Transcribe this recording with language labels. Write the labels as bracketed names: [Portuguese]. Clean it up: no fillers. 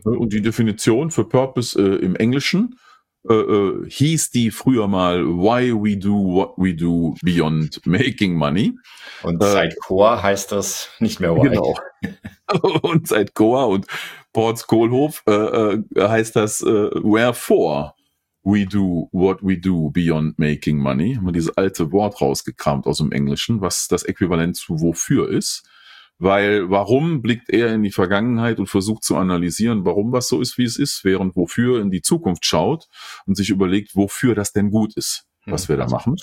[German] Und die Definition für Purpose im Englischen hieß die früher mal [English] Why we do what we do beyond making money. [German] Und seit Coa heißt das nicht mehr Why. Genau. Und seit Coa und Ports Kohlhof heißt das Wherefore. [English] We do what we do beyond making money. [German] Haben wir dieses alte Wort rausgekramt aus dem Englischen, was das Äquivalent zu wofür ist. Weil warum blickt er in die Vergangenheit und versucht zu analysieren, warum was so ist, wie es ist, während wofür in die Zukunft schaut und sich überlegt, wofür das denn gut ist, was wir da machen.